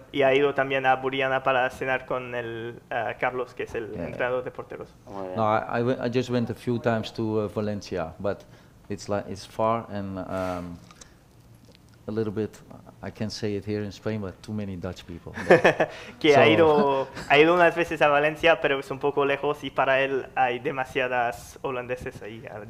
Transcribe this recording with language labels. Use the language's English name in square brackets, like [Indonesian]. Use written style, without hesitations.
[Spanish] Y ha ido también a Buriana para cenar con el Carlos, que es el entrenador de porteros. Oh, [English] yeah. No, I just went a few times to Valencia, but it's far, and a little bit, I can't say it here in Spain, but too many Dutch people. [Spanish] Que so, ha ido unas veces a Valencia, pero es un poco lejos y para él hay demasiadas holandeses ahí.